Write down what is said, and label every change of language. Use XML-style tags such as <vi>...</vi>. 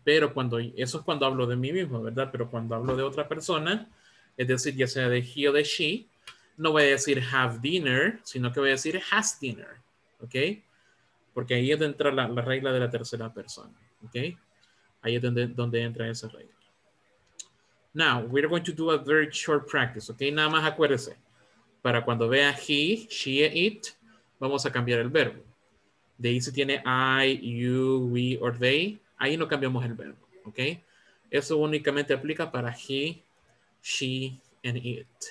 <es>Pero cuando, eso es cuando hablo de mí mismo, ¿verdad? Pero cuando hablo de otra persona, es decir, ya sea de he o de she, no voy a decir have dinner, sino que voy a decir has dinner, ¿ok? Porque ahí es donde entra la regla de la tercera persona, ¿ok? Ahí es donde entra esa regla.</es> <en>Now, we're going to do a very short practice, ¿ok?</en> <es>Nada más acuérdese, para cuando vea he, she, it, vamos a cambiar el verbo. De ahí si tiene I, you, we, or they, ahí no cambiamos el verbo, ¿ok? Eso únicamente aplica para he, she, and it.</es>